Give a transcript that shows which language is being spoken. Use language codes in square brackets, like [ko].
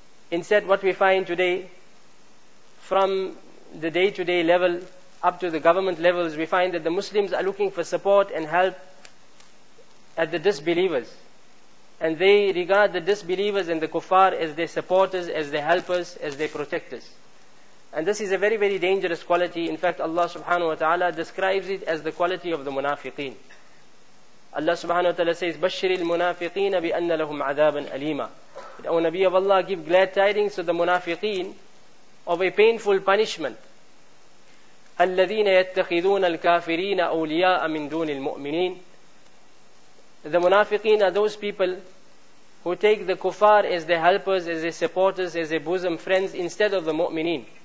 [en] Instead, what we find today, from the day-to-day level up to the government levels, we find that the Muslims are looking for support and help at the disbelievers. And they regard the disbelievers and the kuffar as their supporters, as their helpers, as their protectors. And this is a very, very dangerous quality. In fact, Allah subhanahu wa ta'ala describes it as the quality of the munafiqeen. Allah subhanahu wa ta'ala says, [ar] بَشِّرِ الْمُنَافِقِينَ بِأَنَّ لَهُمْ عَذَابًا أَلِيمًا. [en] O Nabi of Allah, give glad tidings to the munafiqeen of a painful punishment. [ar] الَّذِينَ يَتَّخِذُونَ الْكَافِرِينَ أَوْلِيَاءَ مِنْ دُونِ الْمُؤْمِنِينَ. [en] The munafiqeen are those people who take the kuffar as their helpers, as their supporters, as their bosom friends, instead of the mu'mineen.